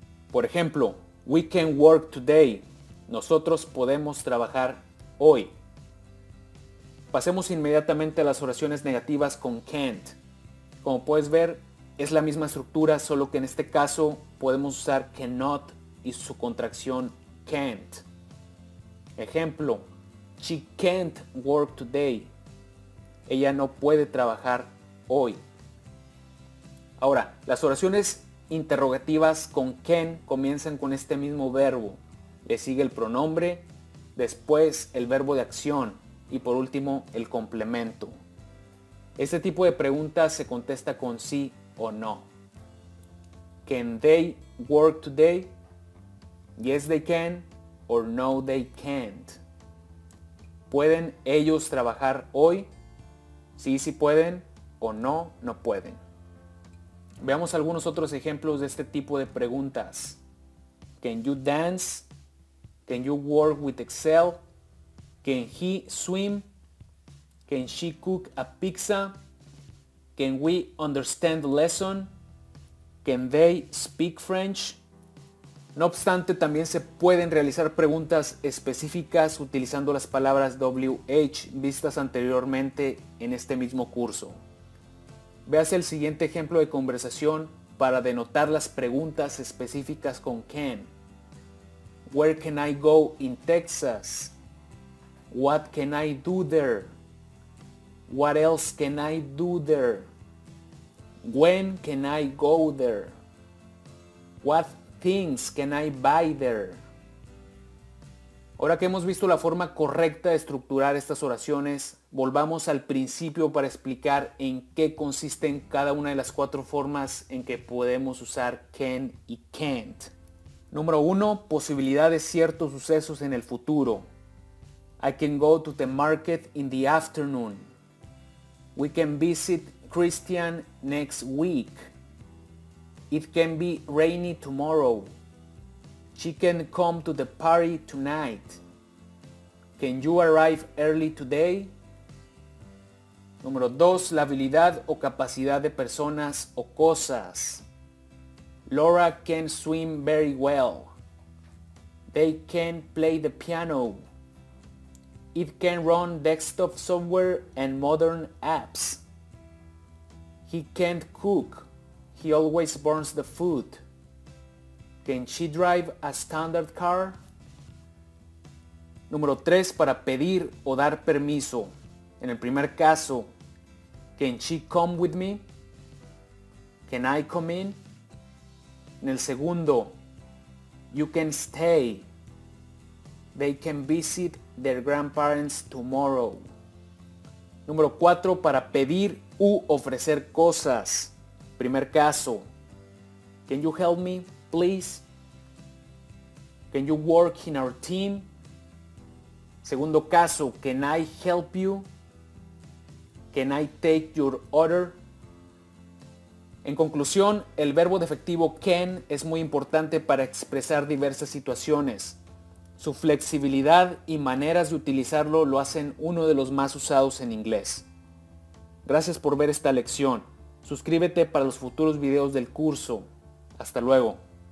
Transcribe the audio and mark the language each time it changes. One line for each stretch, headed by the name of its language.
Spanish: Por ejemplo,
English: we can work today.
Spanish: Nosotros podemos trabajar hoy. Pasemos inmediatamente a las oraciones negativas con can't. Como puedes ver, es la misma estructura, solo que en este caso podemos usar cannot y su contracción can't. Ejemplo,
English: she can't work today.
Spanish: Ella no puede trabajar hoy. Ahora, las oraciones interrogativas con can comienzan con este mismo verbo. Le sigue el pronombre, después el verbo de acción y por último el complemento. Este tipo de preguntas se contesta con sí o no.
English: Can they work today? Yes, they can. Or no, they can't.
Spanish: ¿Pueden ellos trabajar hoy? Sí, sí pueden. O no, no pueden. Veamos algunos otros ejemplos de este tipo de preguntas.
English: Can you dance? Can you work with Excel? Can he swim? Can she cook a pizza? Can we understand the lesson? Can they speak French?
Spanish: No obstante, también se pueden realizar preguntas específicas utilizando las palabras WH vistas anteriormente en este mismo curso. Véase el siguiente ejemplo de conversación para denotar las preguntas específicas con can.
English: Where can I go in Texas? What can I do there? What else can I do there? When can I go there? What things can I buy there?
Spanish: Ahora que hemos visto la forma correcta de estructurar estas oraciones, volvamos al principio para explicar en qué consisten cada una de las cuatro formas en que podemos usar can y can't. Número 1, posibilidad de ciertos sucesos en el futuro.
English: I can go to the market in the afternoon. We can visit Christian next week. It can be rainy tomorrow. She can come to the party tonight. Can you arrive early today?
Spanish: Número 2, la habilidad o capacidad de personas o cosas.
English: Laura can swim very well. They can play the piano. It can run desktop software and modern apps. He can't cook. He always burns the food. Can she drive a standard car?
Spanish: Número 3, para pedir o dar permiso. En el primer caso,
English: can she come with me? Can I come in?
Spanish: En el segundo,
English: you can stay. They can visit their grandparents tomorrow.
Spanish: Número 4, para pedir u ofrecer cosas. Primer caso,
English: can you help me, please? Can you work in our team?
Spanish: Segundo caso,
English: can I help you? Can I take your order?
Spanish: En conclusión, el verbo de efectivo can es muy importante para expresar diversas situaciones. Su flexibilidad y maneras de utilizarlo lo hacen uno de los más usados en inglés. Gracias por ver esta lección. Suscríbete para los futuros videos del curso. Hasta luego.